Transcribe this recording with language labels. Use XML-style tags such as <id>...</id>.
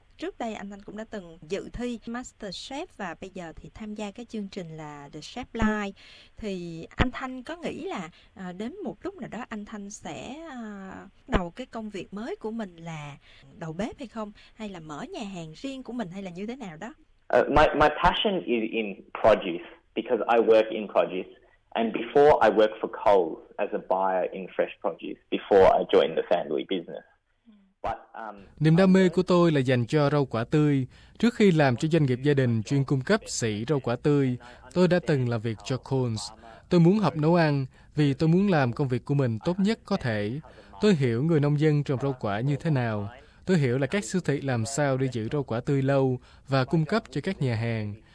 <vi>Trước đây anh Thanh cũng đã từng dự thi MasterChef và bây giờ thì tham gia cái chương trình là The Chef Line. Thì anh Thanh có nghĩ là đến một lúc nào đó anh Thanh sẽ đầu cái công việc mới của mình là đầu bếp hay không? Hay là mở nhà hàng riêng của mình, hay là như thế nào đó?</vi> <en>My passion is in produce, because I work in produce. And before I worked for Coles as a buyer in fresh produce before I joined the family business.</en> <vi>Niềm đam mê của tôi là dành cho rau quả tươi. Trước khi làm cho doanh nghiệp gia đình chuyên cung cấp sỉ rau quả tươi, tôi đã từng làm việc cho Coles. Tôi muốn học nấu ăn vì tôi muốn làm công việc của mình tốt nhất có thể. Tôi hiểu người nông dân trồng rau quả như thế nào. Tôi hiểu là các siêu thị làm sao để giữ rau quả tươi lâu và cung cấp cho các nhà hàng.</vi>